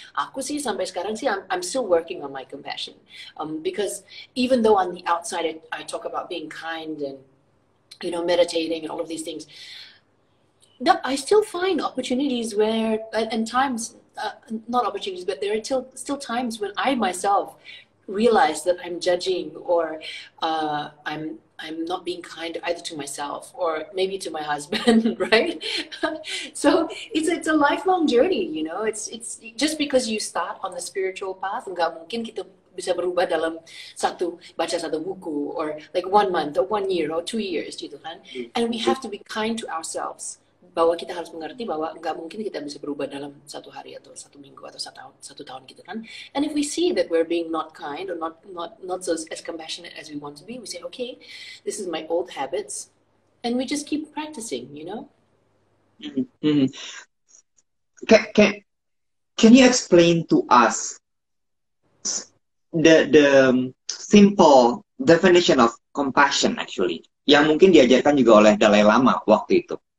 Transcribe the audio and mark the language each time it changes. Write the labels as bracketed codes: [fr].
[id] Aku sih sampai sekarang sih, [en] I'm still working on my compassion. Because even though on the outside, I talk about being kind and, you know, meditating and all of these things, I still find opportunities where, and times, not opportunities, but there are still times when I myself realize that I'm judging or I'm not being kind either to myself or maybe to my husband, right? So it's a lifelong journey, you know. It's just because you start on the spiritual path, [id] nggak mungkin kita bisa berubah dalam satu baca satu buku [en] or like 1 month or 1 year or 2 years, gitu kan? And we have to be kind to ourselves. [id] Bahwa kita harus mengerti bahwa nggak mungkin kita bisa berubah dalam satu hari atau satu minggu atau satu tahun gitu kan. [en] And if we see that we're being not kind or not so as compassionate as we want to be, we say, okay, this is my old habits, and we just keep practicing, you know. Can you explain to us the simple definition of compassion actually, [id] yang mungkin diajarkan juga oleh Dalai Lama waktu itu?